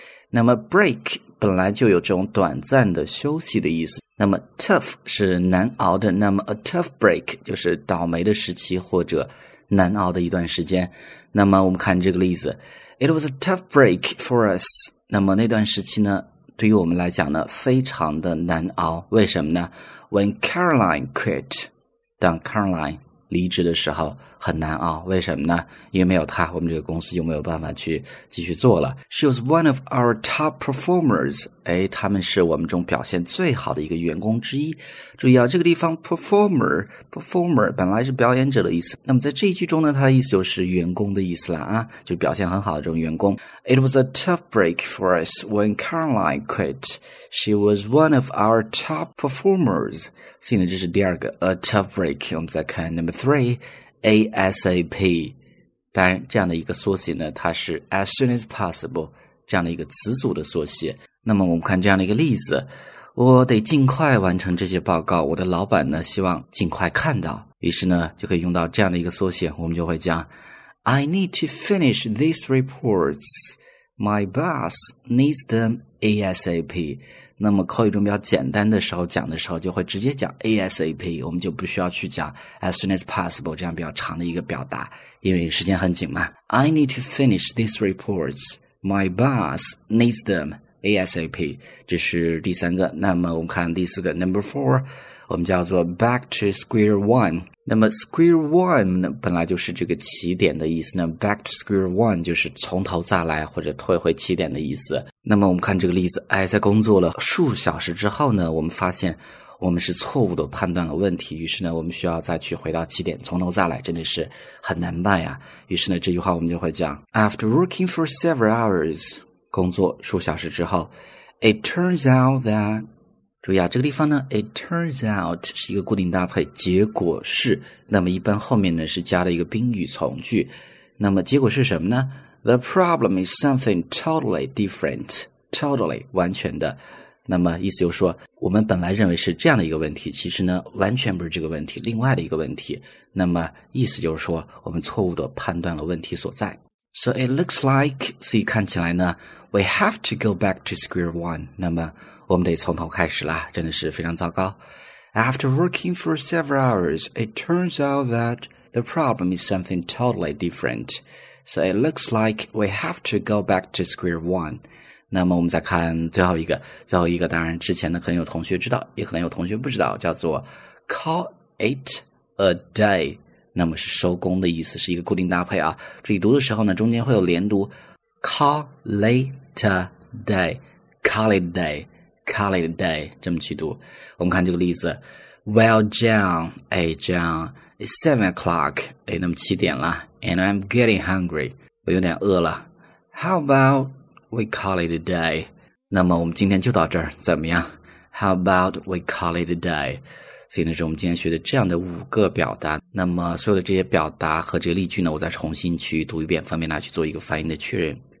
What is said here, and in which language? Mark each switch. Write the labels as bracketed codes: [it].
[zh] 那么 break本来就有这种短暂的休息的意思，那么 tough 是难熬的，那么 a tough break 就是倒霉的时期或者难熬的一段时间。那么我们看这个例子， [en] It was a tough break for us。 [zh] 那么那段时期呢，对于我们来讲呢，非常的难熬。为什么呢？ [en] When Caroline quit， [zh] 当 Caroline 离职的时候很难熬。为什么呢？因为没有他，我们这个公司就没有办法去继续做了。 [en] She was one of our top performers。 [zh] 哎，他们是我们中表现最好的一个员工之一。注意啊，这个地方 performer 本来是表演者的意思，那么在这一句中呢，它的意思就是员工的意思了啊，就表现很好的这种员工。 [en] It was a tough break for us when Caroline quit. She was one of our top performers. [zh] 所以呢，这是第二个 a tough break。我们再看 number three ASAP， 当然这样的一个缩写呢，它是 [en] as soon as possible [zh] 这样的一个词组的缩写。那么我们看这样的一个例子，我得尽快完成这些报告，我的老板呢希望尽快看到，于是呢就可以用到这样的一个缩写，我们就会讲 [en] I need to finish these reports. My boss needs them ASAP。 [zh] 那么口语中比较简单的时候讲的时候，就会直接讲 ASAP， 我们就不需要去讲 [en] as soon as possible [zh] 这样比较长的一个表达，因为时间很紧嘛。 [en] I need to finish these reports. My boss needs them ASAP， [zh] 这是第三个。那么我们看第四个 Number four， 我们叫做 back to square one。那么 square one 呢，本来就是这个起点的意思，那 back to square one 就是从头再来或者退回起点的意思。那么我们看这个例子，哎，在工作了数小时之后呢，我们发现我们是错误的判断了问题，于是呢我们需要再去回到起点，从头再来，真的是很难办呀。于是呢这句话我们就会讲 [en] After working for several hours， [zh] 工作数小时之后， [en] It turns out that， [zh] 注意啊，这个地方呢 [en] It turns out [zh] 是一个固定搭配，结果是，那么一般后面呢是加了一个宾语从句。那么结果是什么呢？ [en] The problem is something totally different. [zh] Totally, 完全的。那么意思就是说，我们本来认为是这样的一个问题，其实呢，完全不是这个问题，另外的一个问题。那么意思就是说，我们错误地判断了问题所在。 [en] So it looks like, [zh] 所以看起来呢， [en] we have to go back to square one. [zh] 那么我们得从头开始啦，真的是非常糟糕。 [en] After working for several hours, it turns out that the problem is something totally different. So it looks like we have to go back to square one. [zh] 那么我们再看最后一个，最后一个当然之前呢可能有同学知道，也可能有同学不知道，叫做 [en] call it a day. [zh] 那么是收工的意思，是一个固定搭配啊。注意读的时候呢，中间会有连读 [en] call it a day, [zh] call it a day, call it a day, 这么去读。 [en] 我们看这个例子， Well, John, hey, John, it's 7 o'clock, [zh] 哎，那么七点了。 [en] And I'm getting hungry. [zh] 我有点饿了。 [en] How about we call it a day? [zh] 那么我们今天就到这儿，怎么样？ [en] How about we call it a day? [zh] 所以呢，是我们今天学的这样的五个表达。那么所有的这些表达和这个例句呢，我再重新去读一遍，方便大家去做一个发音的确认。